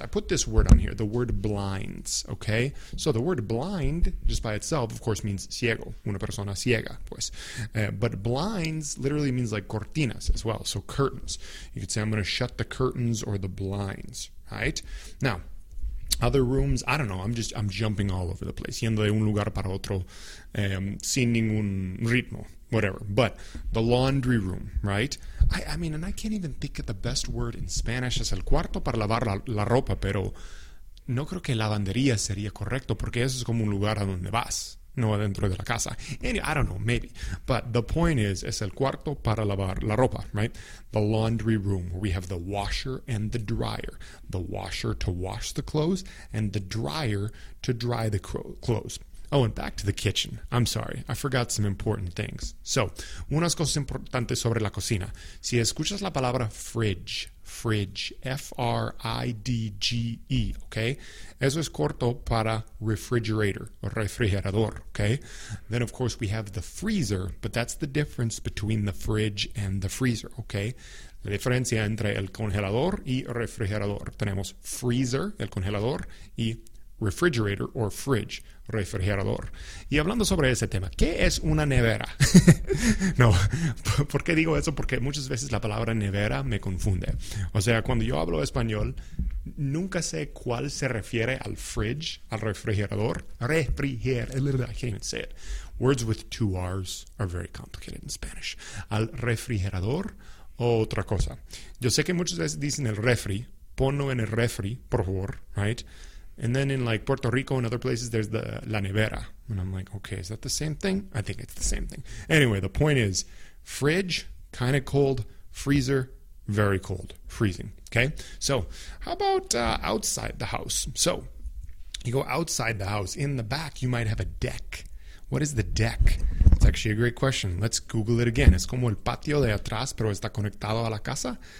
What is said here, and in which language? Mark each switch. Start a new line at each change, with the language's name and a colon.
English: I put this word on here, the word blinds, okay? So the word blind, just by itself, of course, means ciego,
Spanish: una persona ciega, pues.
English: But blinds literally means like cortinas as well, so curtains. You could say, I'm going to shut the curtains or the blinds, right? Now, other rooms, I don't know, I'm jumping all over the place.
Spanish: Yendo de un lugar para otro, sin ningún ritmo.
English: Whatever, but the laundry room, right? I mean, and I can't even think of the best word in Spanish.
Spanish: Es el cuarto para lavar la ropa, pero no creo que lavandería sería correcto porque eso es como un lugar a donde vas, no adentro de la casa.
English: And I don't know, maybe. But the point is,
Spanish: es el cuarto para lavar la ropa,
English: right? The laundry room where we have the washer and the dryer. The washer to wash the clothes and the dryer to dry the clothes. Oh, and back to the kitchen. I'm sorry. I forgot some important things.
Spanish: So, unas cosas importantes sobre la cocina. Si escuchas la palabra fridge, fridge, F-R-I-D-G-E, okay? Eso es corto para refrigerator, refrigerador, okay?
English: Then, of course, we have the freezer, but that's the difference between the fridge and the freezer, okay?
Spanish: La diferencia entre el congelador y refrigerador. Tenemos freezer, el congelador, y refrigerator or fridge, refrigerador. Y hablando sobre ese tema, ¿qué es una nevera? No, ¿por qué digo eso? Porque muchas veces la palabra nevera me confunde. O sea, cuando yo hablo español, nunca sé cuál se refiere al fridge, al refrigerador.
English: Refrigerador, I can't even say it. Words with two R's are very complicated in Spanish.
Spanish: Al refrigerador o otra cosa. Yo sé que muchas veces dicen el refri, ponlo en el refri, por favor, right?
English: And then in like Puerto Rico and other places, there's the la nevera. And I'm like, okay, is that the same thing? I think it's the same thing. Anyway, the point is, fridge, kind of cold. Freezer, very cold. Freezing, okay? So how about outside the house? So you go outside the house. In the back, you might have a deck. What is the deck? It's actually a great question. Let's Google it again.
Spanish: Es como el patio de atrás, pero está conectado a la casa.